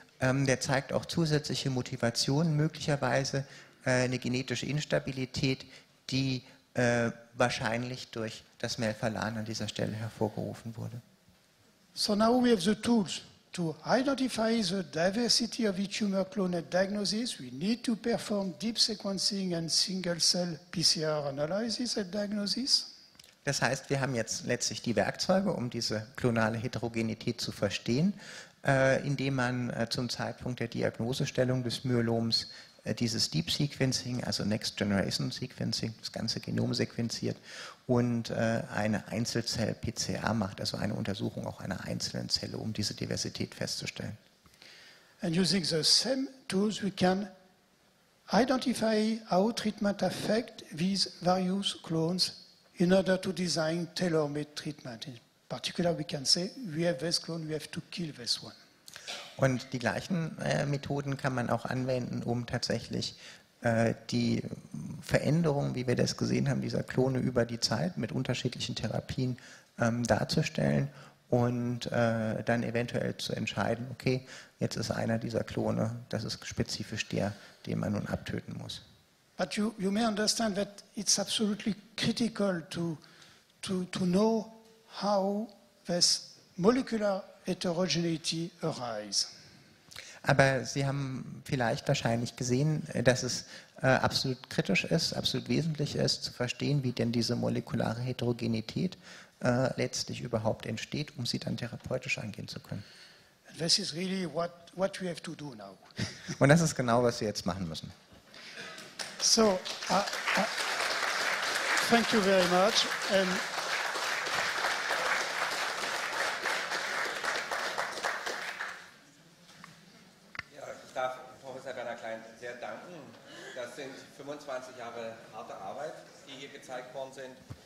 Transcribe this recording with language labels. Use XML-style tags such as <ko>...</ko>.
<de>Der zeigt auch zusätzliche Motivationen, möglicherweise eine genetische Instabilität, die wahrscheinlich durch das Melphalan an dieser Stelle hervorgerufen wurde.</de> <en>So now we have the tools to identify the diversity of the tumor clone at diagnosis. We need to perform deep sequencing and single cell PCR analysis at diagnosis.</en> <de>Das heißt, wir haben jetzt letztlich die Werkzeuge, um diese klonale Heterogenität zu verstehen, indem man zum Zeitpunkt der Diagnosestellung des Myeloms dieses Deep Sequencing, also Next Generation Sequencing, das ganze Genom sequenziert und eine Einzelzell-PCR macht, also eine Untersuchung auch einer einzelnen Zelle, um diese Diversität festzustellen.</de> <en>And using the same tools, we can identify how treatment affect these various clones in order to design tailor-made treatment. In particular, we can say, we have this clone, we have to kill this one.</en> <de>Und die gleichen Methoden kann man auch anwenden, um tatsächlich die Veränderungen, wie wir das gesehen haben, dieser Klone über die Zeit mit unterschiedlichen Therapien darzustellen und dann eventuell zu entscheiden, okay, jetzt ist einer dieser Klone, das ist spezifisch der, den man nun abtöten muss.</de> <en>But you may understand that it's absolutely critical to know how this molecular heterogeneity arises.</en> <de>Aber Sie haben vielleicht wahrscheinlich gesehen, dass es absolut kritisch ist, absolut wesentlich ist, zu verstehen, wie denn diese molekulare Heterogenität letztlich überhaupt entsteht, um sie dann therapeutisch angehen zu können.</de> <en>And this is really what we have to do now.</en> <de>Und das ist genau, was wir jetzt machen müssen.</de> <en>So, thank you very much.</en> <de>Ich darf Professor Werner Klein sehr danken. Das sind 25 Jahre harte Arbeit, die hier gezeigt worden sind.</de>